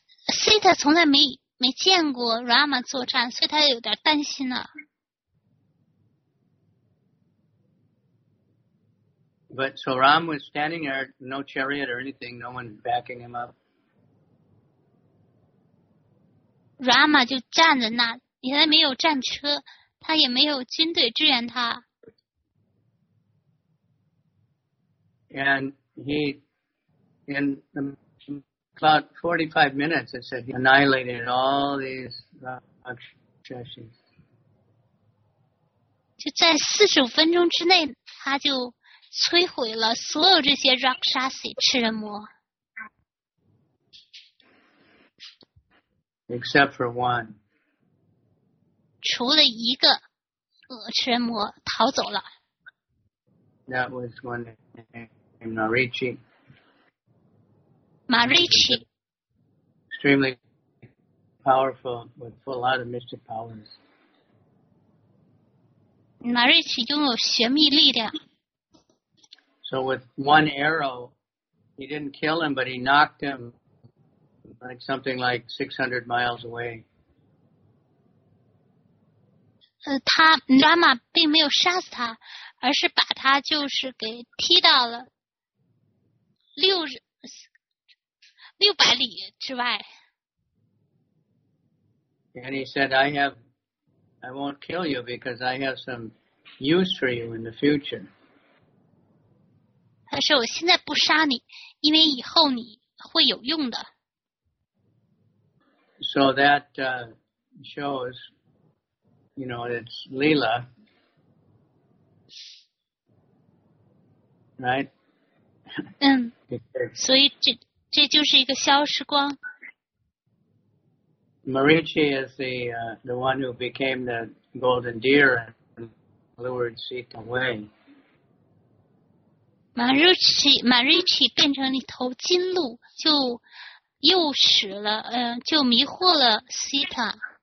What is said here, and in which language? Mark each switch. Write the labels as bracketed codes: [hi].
[zh] Sita 从来没见过 Rama 作战，所以她有点担心了。 [en] But so Ram was standing there, no chariot or anything, no one backing him up. [zh] Rama 就站在那，他没有战车，他也没有军队支援他。 [en] And he, in about 45 minutes, it said he annihilated all these rakshasas. [zh] 就在45分钟之内，他就摧毁了所有这些 rakshasi 吃人魔。 [en] Except for one. [zh] 除了一个吃人魔逃走了。 [en] That was one named Marichi. Marichi. Extremely powerful with a lot of mystic powers. [zh] Marichi 拥有玄秘力量。 [en] So with one arrow, he didn't kill him, but he knocked him like something like 600 miles away. [zh] 他 Rama 并没有杀死他，而是把他就是给踢到了600里之外。 [en] And he said, I won't kill you because I have some use for you in the future. [zh] 他说我现在不杀你，因为以后你会有用的。 [en] So that shows, you know, it's Leela, right? [zh] 所以这就是一个消失光。 [en] Marichi is the one who became the golden deer and lured Sita away. [zh] Marichi 变成了一头金鹿，就诱使了，就迷惑了 Sita。